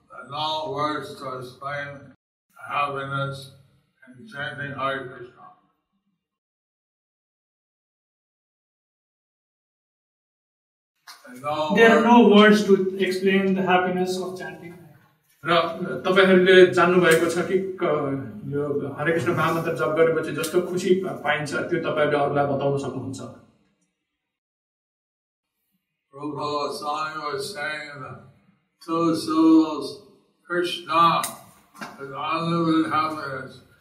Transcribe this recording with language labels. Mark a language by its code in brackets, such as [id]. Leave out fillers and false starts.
[en] There are no words to explain the happiness in chanting Hare Krishna. There are no words to explain the happiness of chanting Hare Krishna. [ne] तपाईहरुले जान्नु भएको छ कि यो हरे कृष्ण महामन्त्र जप गरेपछि जस्तो खुसी पाइन्छ त्यो तपाईहरुले अरूलाई बताउन सक्नुहुन्छ. [en] Prabhupada Goswami was saying the two syllables Krishna is unlimited happiness.